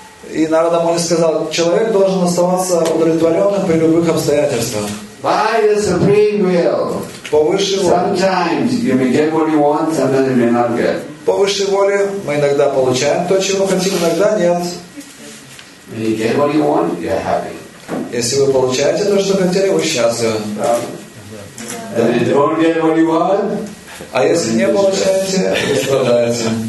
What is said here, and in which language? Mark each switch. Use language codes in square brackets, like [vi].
[ru] И Нарада Муни сказал, человек должен оставаться удовлетворенным при любых обстоятельствах. [en] By the supreme will. [ru] По высшей воле. [en] Sometimes you may get what you want, sometimes you may not get. [ru] По высшей воле мы иногда получаем то, чего хотим, иногда нет. [en] When you get what you want, you're happy. [ru] Если вы получаете то, что хотели, вы счастливы. [en] Yeah. Then you don't get what you want. [ru] А если не получаете, то страдаете.